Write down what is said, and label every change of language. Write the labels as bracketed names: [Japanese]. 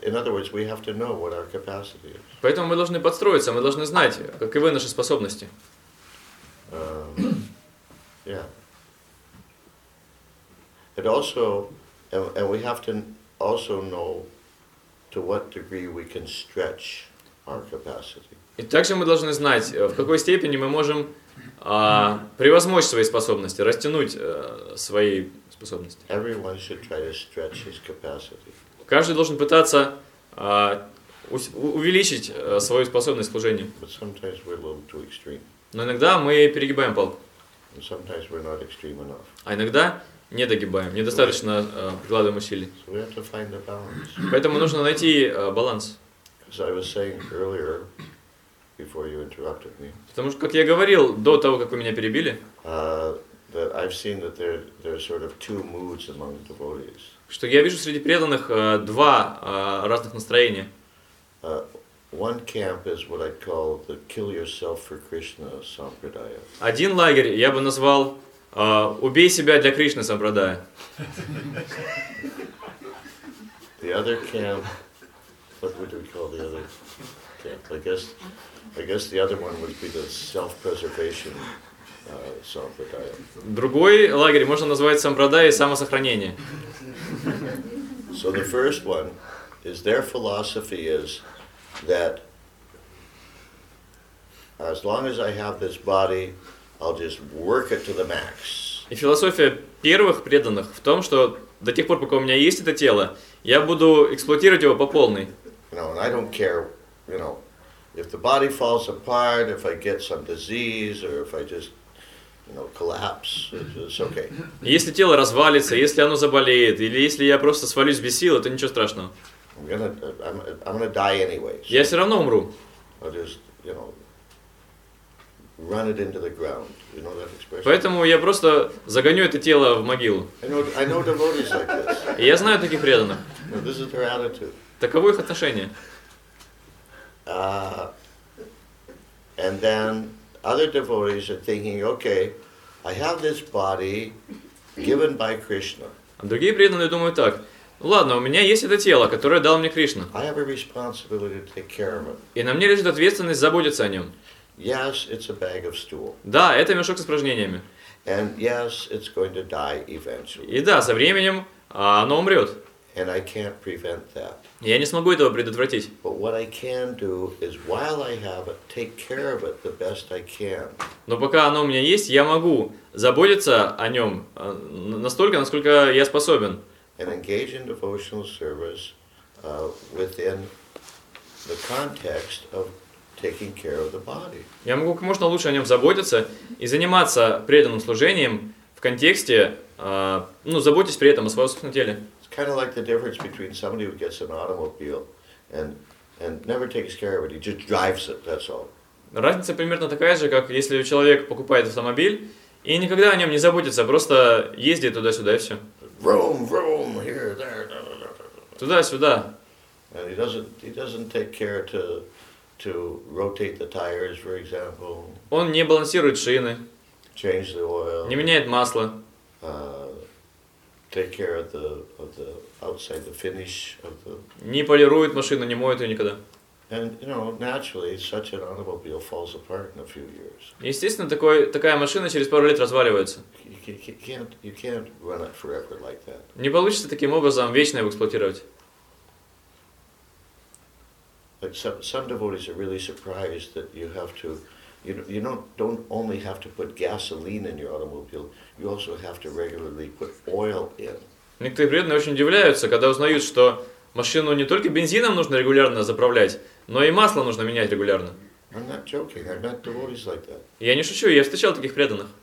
[English] In other words, we have to know what our capacity is. [Russian] Поэтому мы должны подстроиться, мы должны знать, каковы наши способности. [English] It also, and we have to also know to what degree we can stretch our capacity. [Russian] И также мы должны знать, в какой степени мы можем превозмочь свои способности, растянуть свои способности. [English] Everyone should try to stretch his capacity. [Russian] Каждый должен пытаться увеличить свою способность к служению. [English] But sometimes we're a little too extreme. [Russian] Но иногда мы перегибаем палку. [English] And sometimes we're not extreme enough. [Russian] А иногда не догибаем, недостаточно прикладываем усилий. [English] So [Russian] поэтому нужно найти баланс. [English] Earlier, [Russian] потому что, как я говорил, до того, как вы меня перебили, [English] that I've seen that there are sort of two moods among devotees. [Russian] Что я вижу среди преданных два разных настроения. [English] One camp is what I call the kill yourself for Krishna sampradaya. [Russian] Один лагерь я бы назвал убей себя для Кришны сампрадая. [English] The other camp, what would we call the other camp? I guess the other one would be the self-preservation sampradaya. [Russian] Другой лагерь можно назвать сампрадая самосохранение. [English] So the first one is their philosophy is that as long as I have this body, I'll just work it to the max. [Russian] И философия первых преданных в том, что до тех пор, пока у меня есть это тело, я буду эксплуатировать его по полной. [English] You know, and I don't care, you know, if the body falls apart, if I get some disease, or if I just, you know, collapse, it's okay. [Russian] Если тело развалится, если оно заболеет, или если я просто свалюсь без сил, это ничего страшного. [English] I'm gonna die anyway. [Russian] Я все равно умру. [English] I'll just, you know, run it into the ground. You know that expression? [Russian] Поэтому я просто загоню это тело в могилу. [English] I know devotees like this. [Russian] И я знаю таких преданных. [English] No, this is their attitude. [Russian] Таково их отношение. [English] And then other devotees are thinking, okay, I have this body given by Krishna. [Russian] А другие преданные думают так. Ладно, у меня есть это тело, которое дал мне Кришна. [English] I have a responsibility to take care of it. [Russian] И на мне лежит ответственность заботиться о нем. [English] Yes, it's a bag of stool. [Russian] Да, это мешок с упражнениями. [English] And yes, it's going to die eventually. [Russian] И да, со временем оно умрет. [English] And I can't prevent that. [Russian] Я не смогу этого предотвратить. [English] But what I can do is while I have it, take care of it the best I can. [Russian] Но пока оно у меня есть, я могу заботиться о нем настолько, насколько я способен. [English] And engage in devotional service within the context of taking care of the body. [Russian] Я могу как можно лучше о нем заботиться и заниматься преданным служением в контексте, ну, заботясь при этом о своем собственном теле. [English] It's kind of like the difference between somebody who gets an automobile and never takes care of it. He just drives it. That's all. [Russian] Разница примерно такая же, как если человек покупает автомобиль и никогда о нем не заботится, просто ездит туда-сюда и все. [English] Vroom, vroom, here, there, da, da, da, da. [Russian] Туда-сюда. [English] And he doesn't take care to rotate the tires, for example. [Russian] Он не балансирует шины. [English] Change the oil. [Russian] Не меняет масло. [English] Take care of the outside, the finish of the. [Russian] Не полирует машину, не моет ее никогда. [English] And you know, naturally, such an automobile falls apart in a few years. [Russian] Естественно, такая машина через пару лет разваливается. [English] You can't run it forever like that. [Russian] Не получится таким образом вечно его эксплуатировать. [English] Like some devotees are really surprised that you have to, you don't only have to put gasoline in your automobile, you also have to regularly put oil in. [Russian] Некоторые преданные очень удивляются, когда узнают, что машину не только бензином нужно регулярно заправлять, но и масло нужно менять регулярно. [English] I'm not joking. I've met devotees like that. [Russian] Я не шучу, я встречал таких преданных.